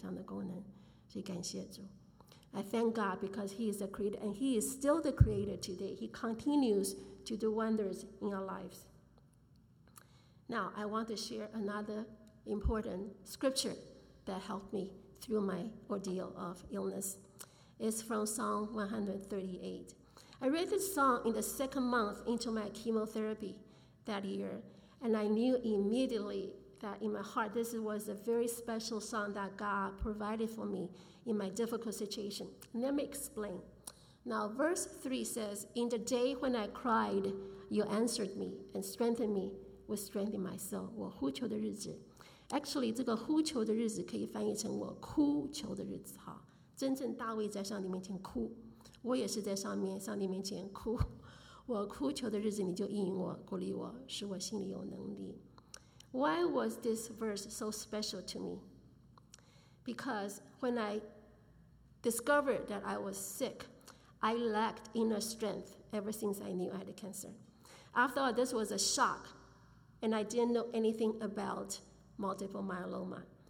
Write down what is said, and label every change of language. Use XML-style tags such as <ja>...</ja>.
<zh>他能够行神迹，他今天还在创造神迹，他可以拆毁，他可以重建。我就因为这个缘故，也因为这节圣经，我向上帝祷告说：“神啊，求你在我的身上重新再造我的肾脏。我的肾脏因为多发性骨髓受到攻击，那个时候只有22%的功能。等到我做完自体干细胞移植之后，他就恢复到60%以上的功能。所以感谢主。”</zh> <en>I thank God because he is the creator and he is still the creator today. He continues to do wonders in our lives. Now, I want to share another important scripture that helped me through my ordeal of illness. It's from Psalm 138. I read this psalm in the second month into my chemotherapy that year, and I knew immediately that in my heart, this was a very special psalm that God provided for me in my difficult situation. Let me explain. Now, verse 3 says, "In the day when I cried, you answered me and strengthened me with strength in my soul."</en> <zh>我呼求的日子.</zh> <en>Actually,</en> <zh>这个呼求的日子可以翻译成我哭求的日子。真正大卫在上帝面前哭，我也是在上帝面前哭。我哭求的日子，你就应允我，鼓励我，使我心里有能力。</zh> <en>Why was this verse so special to me? Because when I discovered that I was sick, I lacked inner strength ever since I knew I had cancer. After all, this was a shock, and I didn't know anything about multiple myeloma.</en>